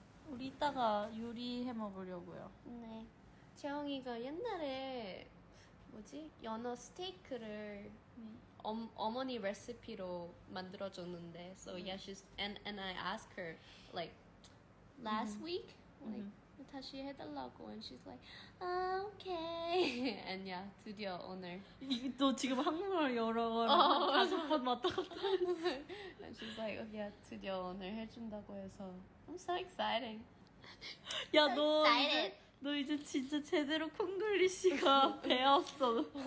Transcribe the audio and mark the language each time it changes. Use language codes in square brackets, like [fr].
[ko] 우리 이따가 요리해 먹으려고요. 네. 재홍이가 옛날에 뭐지? 연어 스테이크를 어머니 레시피로 만들어 줬는데. [en] So yeah, she's and I ask her like last week, like, [ko] 다시 해달라고, [en] and she's like, oh, okay. [ko] And yeah, 드디어 오늘. 너 지금 한국말 여러 번, 다섯 번 왔다 갔다 했어. [en] And she's like, oh, yeah, [ko] 드디어 오늘 해준다고 해서. [en] I'm so excited. [ko] 야, so 너, [en] excited. [ko] 너 이제 진짜 제대로 콩글리시가 배웠어.